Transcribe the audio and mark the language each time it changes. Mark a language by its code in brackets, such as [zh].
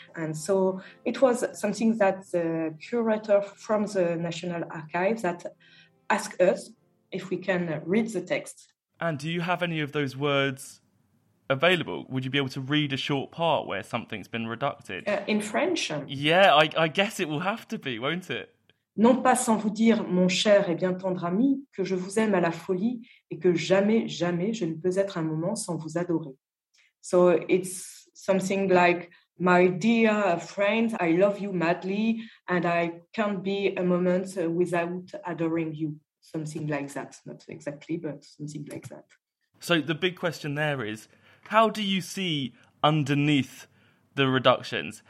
[en] And so it was something that the curator from the National Archives that asked us if we can read the text. And do you have any of those words available? Would you be able to read a short part where something's been redacted? In French? Yeah, I guess it will have to be, won't it? [fr] Non pas sans vous dire, mon cher et bien tendre ami, que je vous aime à la folie et que jamais, jamais, je ne peux être un moment sans vous adorer. [en] So it's something like, my dear friend, I love you madly and I can't be a moment without adoring you. Something like that, not exactly, but something like that. So the big question there is, how do you see underneath the reductions?